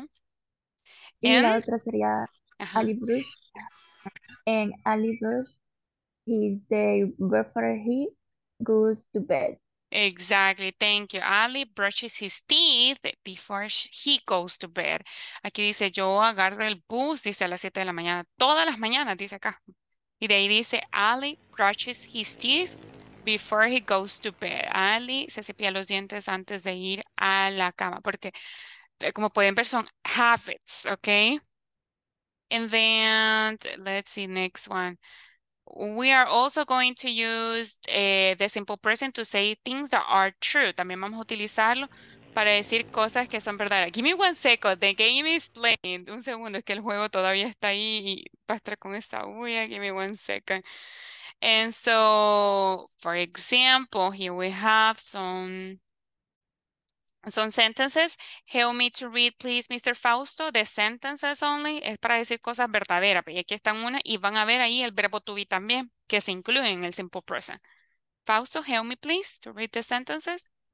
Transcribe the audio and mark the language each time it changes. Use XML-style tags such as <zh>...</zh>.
<es>Uh-huh. Y la otra sería Ali Bruce.</es> <en>And Ali Bruce, he's the before he goes to bed. Exactly, thank you. Ali brushes his teeth before he goes to bed.</en> <es>Aquí dice, yo agarro el bus, dice, a las 7 de la mañana. Todas las mañanas, dice acá. Y de ahí dice,</es> <en>Ali brushes his teeth before he goes to bed.</en> <es>Ali se cepilla los dientes antes de ir a la cama. Porque, como pueden ver, son habits, okay?</es> <en>And then, let's see, next one. We are also going to use the simple present to say things that are true.</en> <es>También vamos a utilizarlo para decir cosas que son verdaderas.</es> <en>Give me one second. The game is playing.</en> <es>Un segundo, es que el juego todavía está ahí y va a estar con esta bulla.</es> <en>Give me one second. And so, for example, here we have some sentences. Help me to read, please, Mr. Fausto. The sentences only.</en> <es>Es para decir cosas verdaderas. Y aquí están una. Y van a ver ahí el verbo to be también, que se incluye en el simple present.</es> <en>Fausto, help me, please, to read the sentences.</en>